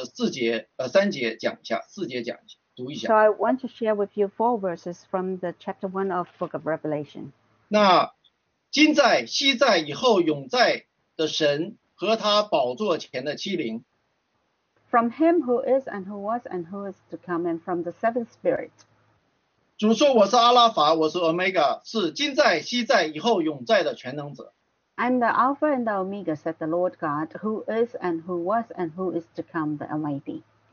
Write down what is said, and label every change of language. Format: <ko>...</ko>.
<zh>这三节讲一下，四节讲一下，读一下。</zh> <en>So I want to share with you four verses from the chapter 1 of Book of Revelation.</en> <zh>那今在昔在以后永在的神和他宝座前的七灵。</zh> <en>From him who is and who was and who is to come, and from the seventh spirit.</en> <zh>主说我是阿拉法，我是Omega， 是今在昔在以后永在的全能者。</zh> <en>I'm the Alpha and the Omega, said the Lord God, who is and who was and who is to come, the Almighty.</en>